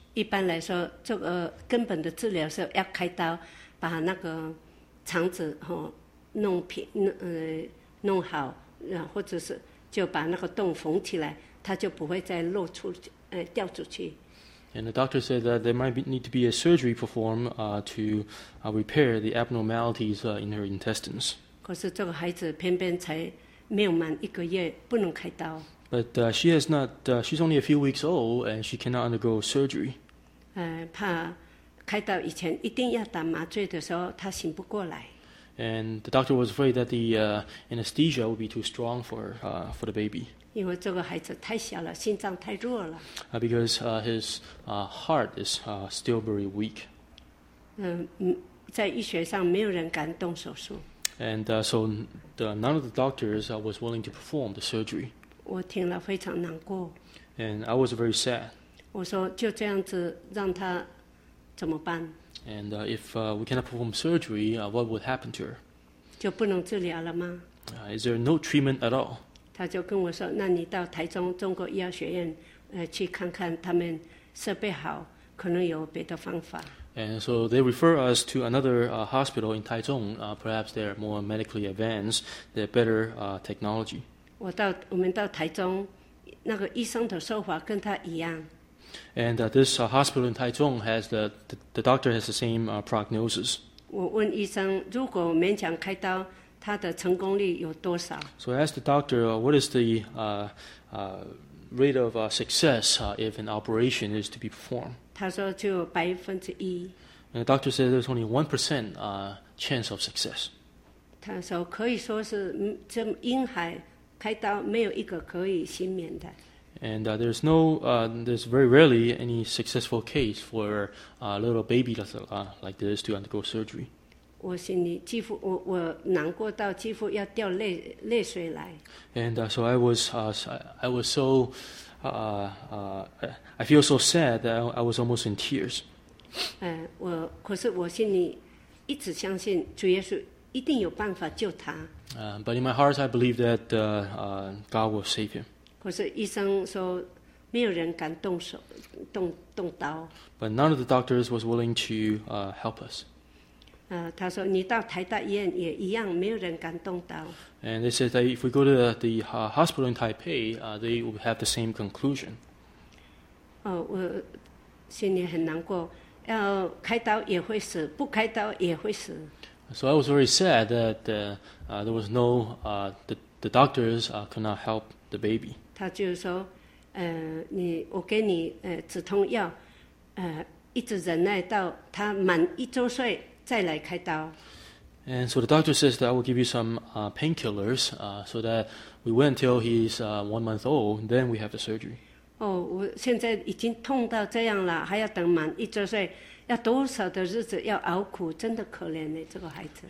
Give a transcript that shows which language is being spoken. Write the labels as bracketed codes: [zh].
[zh] 一般来说，这个根本的治疗是要开刀，把那个肠子哈、哦、弄平，弄好，然后或者是。就把那个洞缝起来，它就不会再漏出，掉出去。 [en] And the doctor said that there might need to be a surgery performed, repair the abnormalities, in her intestines. [zh] 可是这个孩子偏偏才没有满一个月，不能开刀。 [en] But she has not, she's only a few weeks old, and she cannot undergo surgery. [zh] 怕开刀以前一定要打麻醉的时候，她醒不过来。 [en] And the doctor was afraid that the anesthesia would be too strong for the baby. [zh] 因为这个孩子太小了，心脏太弱了。 [en] Because his heart is still very weak. [zh] 在医学上没有人敢动手术。 [en] And none of the doctors was willing to perform the surgery. [zh] 我听了非常难过。 [en] And I was very sad. [zh] 我说就这样子让他怎么办？ [en] And if we cannot perform surgery, what would happen to her? [zh] 就不能治疗了吗？ [en] Is there no treatment at all? [zh] 他就跟我说，那你到台中中国医药学院，去看看他们设备好，可能有别的方法。 [en] And so they refer us to another hospital in Taichung. Perhaps they are more medically advanced. They have better technology. [zh] 我们到台中，那个医生的说法跟他一样。 [en] And this hospital in Taichung has the doctor has the same prognosis. [zh] 我问医生，如果勉强开刀，他的成功率有多少？ [en] So I asked the doctor, what is the rate of success if an operation is to be performed? [zh] 他说就1%. [en] And the doctor said there's only 1% chance of success. [zh] 他说可以说是这婴孩开刀没有一个可以幸免的。 [en] And there's very rarely any successful case for a little baby like this to undergo surgery. [zh] 我心里几乎我难过到几乎要掉泪水来。 [en] And so I was so I feel so sad that I was almost in tears. [zh] 可是我心里一直相信主耶稣一定有办法救他。 [en] But in my heart, I believe that God will save him. [zh] 可是医生说没有人敢动手动刀。 [en] But none of the doctors was willing to help us. [zh] 他说你到台大医院也一样，没有人敢动刀。 [en] And they said that if we go to the hospital in Taipei, they would have the same conclusion. [zh] 我心里很难过，要开刀也会死，不开刀也会死。 [en] So I was very sad that there was no the doctors could not help. The baby. [zh] 他就说，我给你止痛药，一直忍耐到他满一周岁再来开刀。 [en] And so the doctor says that I will give you some painkillers, so that we wait until he's 1 month old, then we have the surgery. [zh] 我现在已经痛到这样了，还要等满一周岁，要多少的日子要熬苦，真的可怜嘞，这个孩子。